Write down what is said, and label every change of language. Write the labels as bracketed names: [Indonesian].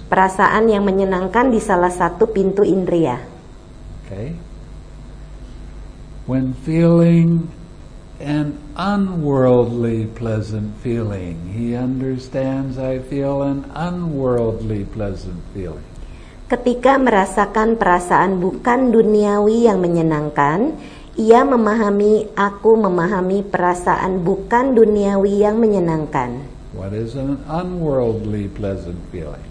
[Indonesian] Perasaan yang menyenangkan di salah satu pintu indria. [English] Okay. When feeling an unworldly pleasant feeling, he understands I feel an unworldly pleasant feeling. [Indonesian] Ketika merasakan perasaan bukan duniawi yang menyenangkan, ia memahami, aku memahami perasaan bukan duniawi yang menyenangkan. [English] What is an unworldly pleasant feeling?